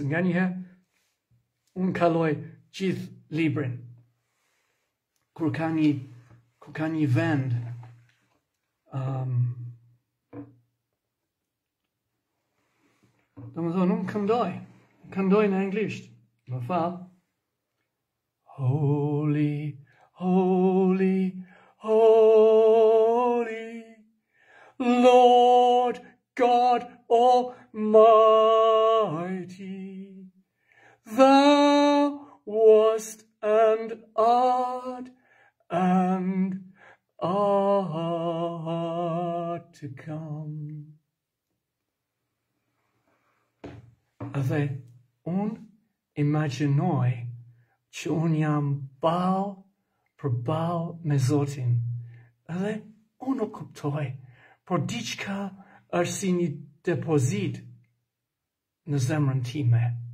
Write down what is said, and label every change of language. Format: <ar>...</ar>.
<sq>Nga një herë, unë kaloj gjithë librin. Kur ka një vend, Do më thonë, unë këndoj në anglisht, më falë.</sq> <en>Holy, holy, holy, Lord God Almighty, Thou wast and art and art to come.</en> <sq>Edhe unë imaginoj që unë jam ball për ball me Zotin. Edhe unë nuk kuptoj, por diçka është si një depozit në zemrën time.</sq>